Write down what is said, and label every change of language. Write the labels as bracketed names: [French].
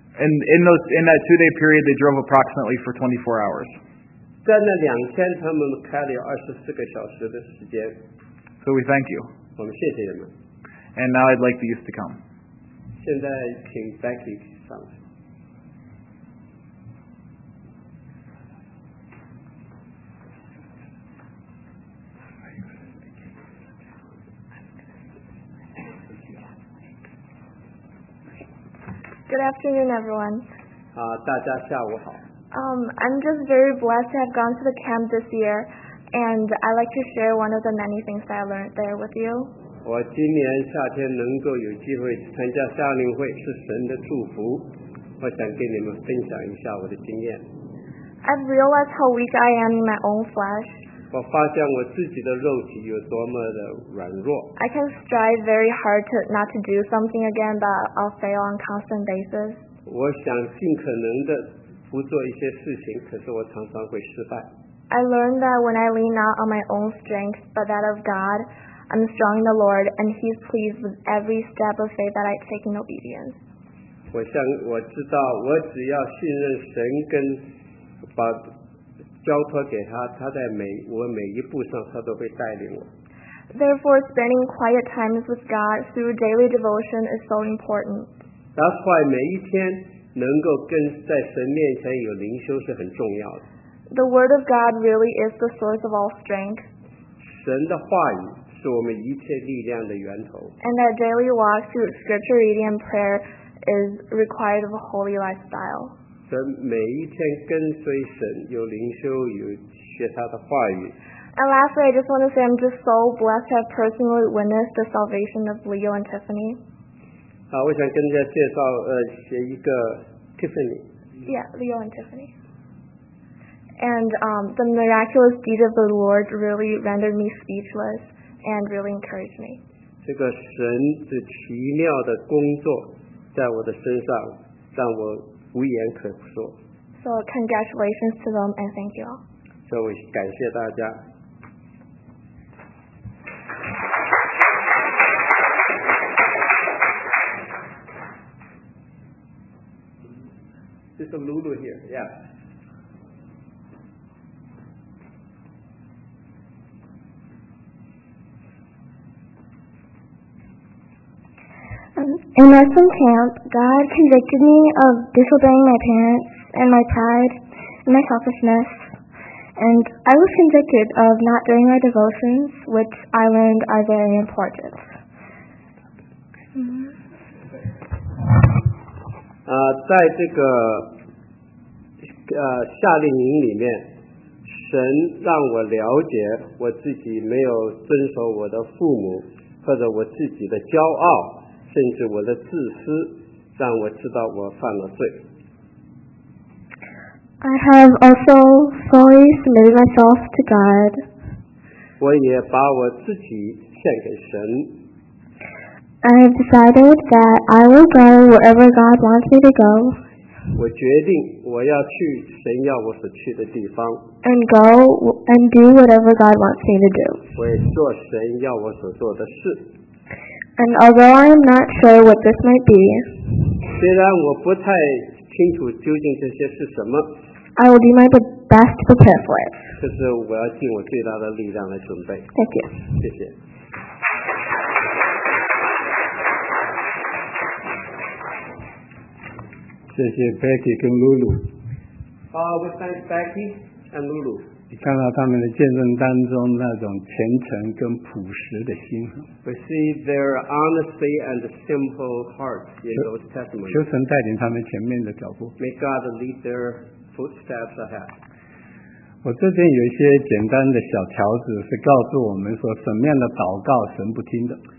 [English] And in that 2 day period, they drove approximately for 24 hours. [Chinese] 在那两天，他们开了24个小时的时间。 [English] So we thank you. [Chinese] 我们谢谢你们。 [English] And now I'd like the youth to come. [Chinese] 现在请 Becky 上来。 [English] Good afternoon, everyone. [Chinese] 大家下午好。 [English] I'm just very blessed to have gone to the camp this year, and I'd like to share one of the many things that I learned there with you. [Chinese] 我今年夏天能够有机会参加夏令会是神的祝福，我想跟你们分享一下我的经验。 [English] I've realized how weak I am in my own flesh. [Chinese] 我发现我自己的肉体有多么的软弱。 [English] I can strive very hard to not to do something again, but I'll fail on a constant basis. [Chinese] 我想尽可能的不做一些事情，可是我常常会失败。 [English] I learned that when I lean not on my own strength, but that of God, I'm strong in the Lord, and He's pleased with every step of faith that I take in obedience. [Chinese] 我知道我只要信任神跟把交托给他，他在我每一步上，他都会带领我。 [English] Therefore, spending quiet times with God through daily devotion is so important. That's why [Chinese] 每一天能够跟在神面前有灵修是很重要的。 [English] The Word of God really is the source of all strength. [Chinese] 神的话语是我们一切力量的源头。 [English] And that daily walk through scripture reading and prayer is required of a holy lifestyle. [Chinese] 神每一天跟随神，有灵修，有学他的话语。 [English] And lastly, I just want to say I'm just so blessed to have personally witnessed the salvation of Leo and Tiffany. [Chinese] 好，我想跟大家介绍写一个 Tiffany. [English] Yeah, Leo and Tiffany. And the miraculous deed of the Lord really rendered me speechless and really encouraged me. [Chinese] 这个神的奇妙的工作在我的身上让我无言可说。 [English] So congratulations to them and thank you all. [Chinese] 所以感谢大家。 [English] This is Lulu here, yeah. In lesson camp, God convicted me of disobeying my parents and my pride and my selfishness. And I was convicted of not doing my devotions, which I learned are very important. Mm-hmm. [Chinese] 在这个夏令营里面，神让我了解我自己没有遵守我的父母或者我自己的骄傲甚至我的自私让我知道我犯了罪。 [English] I have also fully submitted myself to God. [Chinese] 我也把我自己献给神。 [English] I have decided that I will go wherever God wants me to go. [Chinese] 我决定我要去神要我所去的地方。 [English] And go and do whatever God wants me to do. [Chinese] 我也做神要我所做的事。 [English] And although I am not sure what this might be, [Chinese] 虽然我不太清楚究竟这些是什么， [English] I will do my best to prepare for it. [Chinese] 就是我要尽我最大的力量来准备。 [English] Thank you. [Chinese] 谢谢。谢谢 Becky 跟 Lulu。 [English] We thank Becky and Lulu. [Chinese] 你看到他们的见证当中那种虔诚跟朴实的心。 [English] We see their honesty and the simple heart in those testimonies. [Chinese] 求神带领他们前面的脚步。 [English] May God lead their footsteps ahead. [Chinese] 我这边有一些简单的小条子是告诉我们说什么样的祷告神不听的。